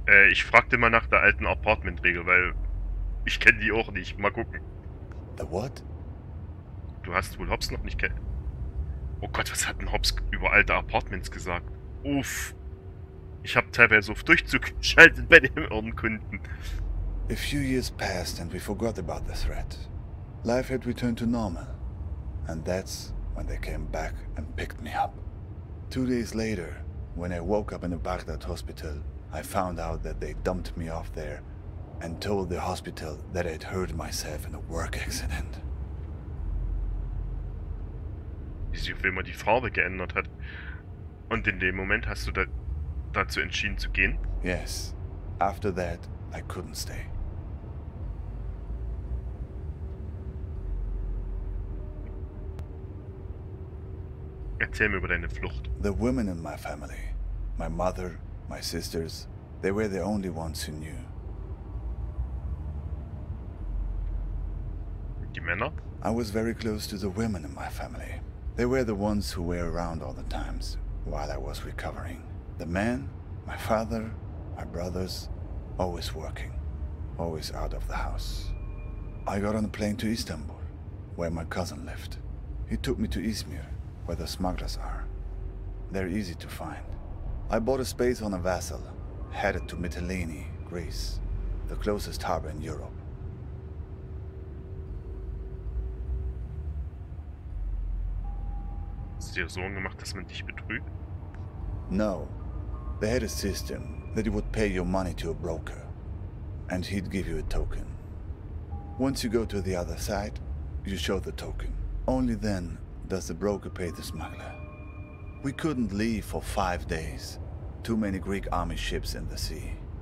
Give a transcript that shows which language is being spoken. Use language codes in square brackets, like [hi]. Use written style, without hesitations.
[de] Ich fragte mal nach der alten Apartmentregel, weil ich kenne die auch nicht. Mal gucken. [en] The what? [de] Du hast wohl Hobbs noch nicht kennen. Oh Gott, was hat denn Hobbs über alte Apartments gesagt? Uff. Ich habe teilweise auf Durchzug geschaltet bei dem irren Kunden. [en] A few years passed and we forgot about the threat. Life had returned to normal. And that's when they came back and picked me up. 2 days later, when I woke up in a Baghdad hospital, I found out that they dumped me off there and told the hospital that I'd hurt myself in a work accident. [de] Wie sich auf einmal die Farbe geändert hat. Und in dem Moment hast du dazu entschieden zu gehen? [en] Yes. After that, I couldn't stay. [de] Erzähl mir über deine Flucht. [en] The women in my family, my mother, my sisters, they were the only ones who knew. [de] Die Männer? [en] I was very close to the women in my family. They were the ones who were around all the times while I was recovering. The men, my father, my brothers, always working, always out of the house. I got on a plane to Istanbul, where my cousin lived. He took me to Izmir, where the smugglers are. They're easy to find. I bought a space on a vessel, headed to Mytilene, Greece, the closest harbor in Europe. [de] Hast du dir Sorgen gemacht, dass man dich betrügt? [en] No. They had a system that you would pay your money to a broker, and he'd give you a token. Once you go to the other side, you show the token. Only then does the broker pay the smuggler. We couldn't leave for 5 days. Too many Greek army ships in the sea.